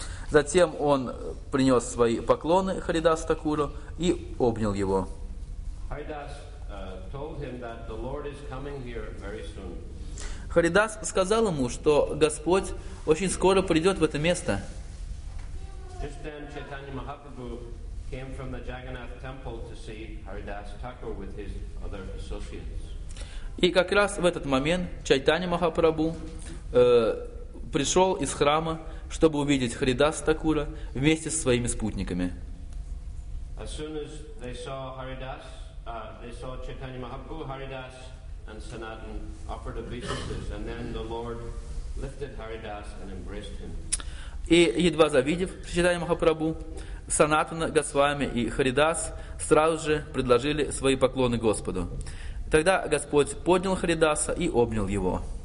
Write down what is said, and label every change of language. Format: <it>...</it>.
<ru>Затем он принес свои поклоны Харидас Такуру и обнял его. Харидас сказал ему, что Господь очень скоро придет в это место.</ru> <en>Just then, Chaitanya Mahaprabhu came from the Jagannath temple to see Haridas Thakur with his other associates.</en> <ru>И как раз в этот момент Чайтанья Махапрабху пришел из храма, чтобы увидеть Харидас Такура вместе со своими спутниками.</ru> <en>As soon as they saw Haridas, they saw Chaitanya Mahaprabhu, Haridas, and Sanatan offered obeisances, and then the Lord lifted Haridas and embraced him.</en> <ru>И, едва завидев Шри Чайтанья Махапрабху, Санатана Госвами и Харидас сразу же предложили свои поклоны Господу. Тогда Господь поднял Харидаса и обнял его.</ru>